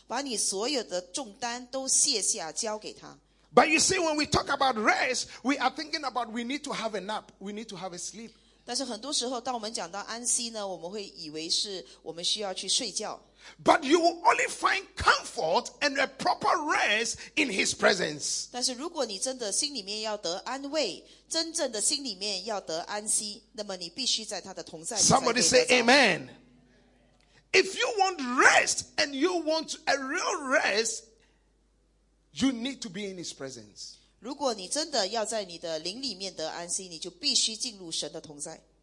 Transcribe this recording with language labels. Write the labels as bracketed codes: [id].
[zh] 当耶稣讲述的这个安息呢，就是当你来到耶稣的同在当中，把你所有的重担都卸下，交给他。 [en] But you see, when we talk about rest, we are thinking about we need to have a nap, we need to have a sleep. [zh] 但是很多时候，当我们讲到安息呢，我们会以为是我们需要去睡觉。 [en] But you will only find comfort and a proper rest in his presence. [zh] 但是如果你真的心里面要得安慰，真正的心里面要得安息，那么你必须在他的同在。 [en] Somebody say amen. If you want rest and you want a real rest, you need to be in his presence. [zh] 如果你真的要在你的灵里面得安息，你就必须进入神的同在。